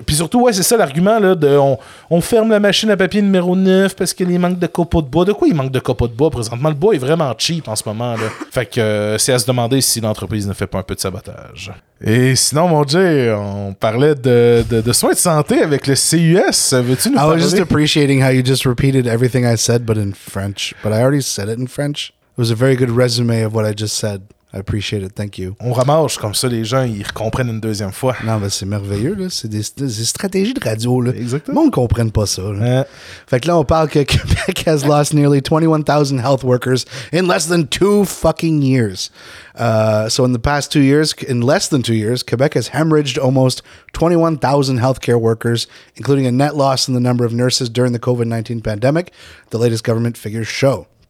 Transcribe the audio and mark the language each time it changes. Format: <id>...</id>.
<fr>Puis surtout, ouais, c'est ça l'argument, là, de on ferme la machine à papier numéro 9 parce qu'il manque de copeaux de bois. De quoi il manque de copeaux de bois, présentement? Le bois est vraiment cheap en ce moment, là. Fait que c'est à se demander si l'entreprise ne fait pas un peu de sabotage. Et sinon, mon Dieu, on parlait de soins de santé avec le CUS. Veux-tu nous parler?</fr> <en>I was just appreciating how you just repeated everything I said, but in French. But I already said it in French. It was a very good resume of what I just said. I appreciate it. Thank you.</en> <fr>On ramasse comme ça, les gens, ils comprennent une deuxième fois. Non, mais c'est merveilleux, là. C'est des stratégies de radio, là. Exactement. Le monde ne comprenne pas ça. Fait que là, on parle que</fr> <en>Québec has lost nearly 21,000 health workers in less than 2 fucking years. So in the past 2 years, in less than 2 years, Quebec has hemorrhaged almost 21,000 healthcare workers, including a net loss in the number of nurses during the COVID-19 pandemic, the latest government figures show.</en>